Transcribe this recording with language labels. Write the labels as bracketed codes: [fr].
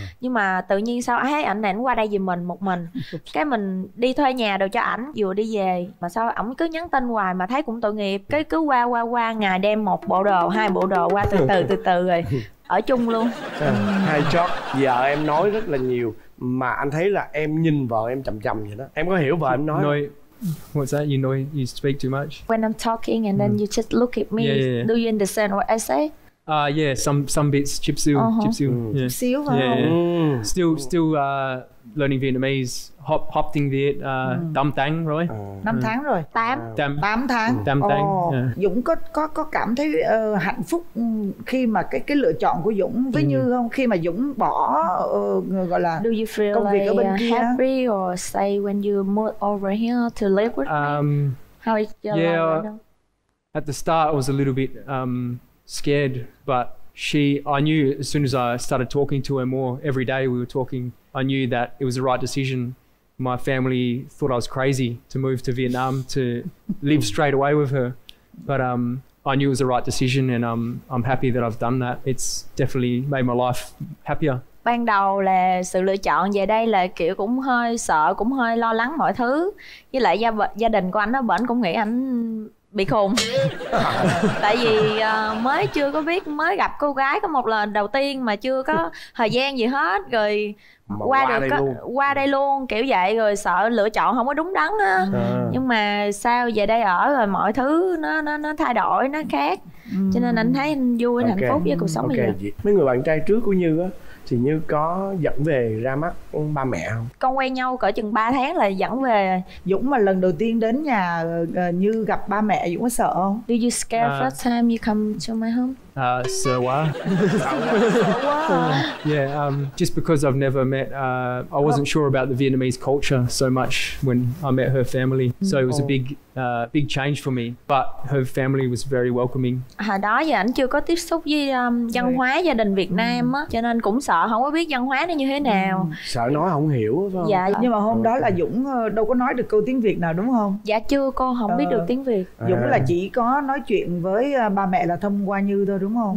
[vi] Nhưng mà tự nhiên sau ấy ảnh này ảnh qua đây vì mình một mình. Cái mình đi thuê nhà đồ cho ảnh vừa đi về, mà sao ảnh cứ nhắn tin hoài mà thấy cũng tội nghiệp. Cái cứ qua ngày đem một bộ đồ, hai bộ đồ qua từ từ rồi ở chung luôn. Hay chót. Vợ em nói rất là nhiều, mà anh thấy là em nhìn vợ em chậm chậm vậy đó. Em có hiểu vợ em nói [en] no, what's that? You know you speak too much. When I'm talking and then you just look at me. Yeah. Do you understand what I say? Yeah, some bits [vi] chipsu. Chipsu. Chipsu. [en] Still learning Vietnamese. [vi] Hop tiếng Việt. Tám tháng rồi. Năm tháng rồi. Tám tháng. Dũng có cảm thấy hạnh phúc khi mà cái lựa chọn của Dũng với Như không? Khi mà Dũng bỏ gọi là [en] do you feel [vi] công việc [en] like [vi] ở bên kia. [en] Happy or say when you move over here to live with me? How is your life? Yeah. At the start, I was a little bit scared, but I knew as soon as I started talking to her more every day, we were talking. I knew that it was the right decision. My family thought I was crazy to move to Vietnam to live straight away with her, but I knew it was the right decision, and I'm happy that I've done that. It's definitely made my life happier. [vi] Ban đầu là sự lựa chọn về đây là kiểu cũng hơi sợ, cũng hơi lo lắng mọi thứ, với lại gia đình của anh ở bển cũng nghĩ anh bị khùng. Tại vì mới chưa có biết, mới gặp cô gái có một lần đầu tiên mà chưa có thời gian gì hết, rồi qua đây luôn kiểu vậy, rồi sợ lựa chọn không có đúng đắn á. Nhưng mà sao về đây ở rồi mọi thứ nó thay đổi, nó khác. Cho nên anh thấy anh vui, anh hạnh phúc với cuộc sống. Mấy người bạn trai trước của Như á thì Như có dẫn về ra mắt ba mẹ không? Con quen nhau cỡ chừng 3 tháng là dẫn về. Dũng mà lần đầu tiên đến nhà Như gặp ba mẹ, Dũng có sợ không? [en] Do you scare first time you come to my home? [vi] Sợ quá. [en] Just because I've never met, I wasn't sure about the Vietnamese culture so much when I met her family. So it was a big change for me. But her family was very welcoming. [vi] Hồi đó giờ anh chưa có tiếp xúc với văn hóa gia đình Việt Nam á, cho nên cũng sợ không có biết văn hóa nó như thế nào. Sợ nói không hiểu phải không? Dạ. Nhưng mà hôm đó là Dũng đâu có nói được câu tiếng Việt nào đúng không? Dạ chưa, con không biết được tiếng Việt. Dũng là chỉ có nói chuyện với ba mẹ là thông qua Như thôi đúng không?